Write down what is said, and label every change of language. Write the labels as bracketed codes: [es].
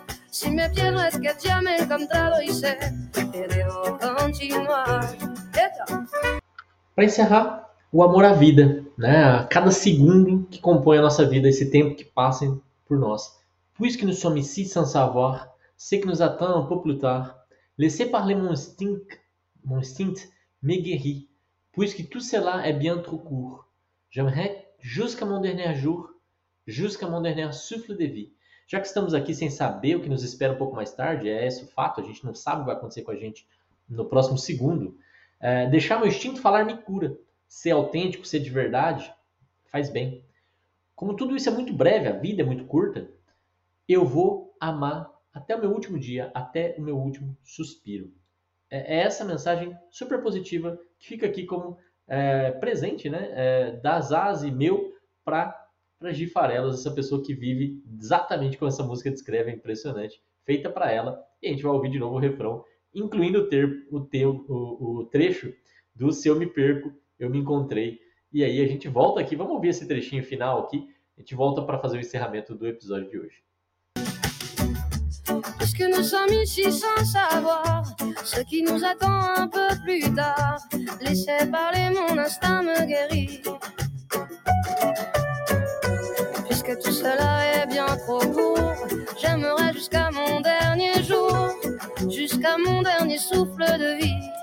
[es] Si me pierdo es que ya me he encontrado y sé que debo continuar. [pt] Para encerrar, o amor à vida, né? A cada segundo que compõe a nossa vida, esse tempo que passa por nós. [fr] Puisque nous sommes ici sans savoir, ce qui nous attend un peu plus tard, laissez parler mon instinct me guérir, puisque tout cela est bien trop court. J'aimerais jusqu'à mon dernier jour, jusqu'à mon dernier souffle de vie. [pt] Já que estamos aqui sem saber o que nos espera um pouco mais tarde, é esse o fato, a gente não sabe o que vai acontecer com a gente no próximo segundo, deixar meu instinto falar me cura. Ser autêntico, ser de verdade, faz bem. Como tudo isso é muito breve, a vida é muito curta, eu vou amar até o meu último dia, até o meu último suspiro. É essa mensagem super positiva que fica aqui como presente, né? Da Zazie, meu, para Gi Farelos, essa pessoa que vive exatamente como essa música descreve, é impressionante, feita para ela. E a gente vai ouvir de novo o refrão, incluindo o trecho do Se Eu Me Perco, Eu Me Encontrei. E aí a gente volta aqui, vamos ouvir esse trechinho final aqui, a gente volta para fazer o encerramento do episódio de hoje. [fr] Puisque nous sommes ici sans savoir ce qui nous attend un peu plus tard, laissez parler mon instinct me guérir. Puisque tout cela est bien trop court, j'aimerais jusqu'à mon dernier jour, jusqu'à mon dernier souffle de vie.